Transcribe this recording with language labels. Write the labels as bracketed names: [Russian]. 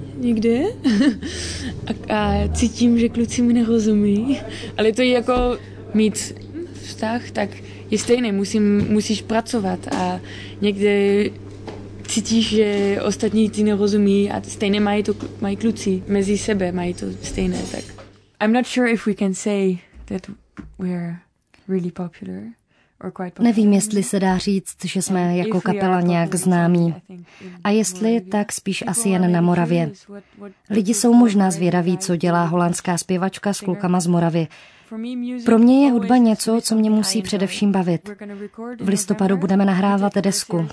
[Czech] někdy a cítím, že kluci mi nerozumí. Ale to je jako mít vztah, tak je stejný, musíš pracovat a někdy cítíš, že ostatní ti nerozumí a stejně mají kluci mezi sebe, mají to stejné. Tak. [English] I'm not sure if we can say that we're really popular. [Czech] Nevím, jestli se dá říct, že jsme jako kapela nějak známí. A jestli tak, spíš asi jen na Moravě. Lidi jsou možná zvědaví, co dělá holandská zpěvačka s klukama z Moravy. Pro mě je hudba něco, co mě musí především bavit. V listopadu budeme nahrávat desku.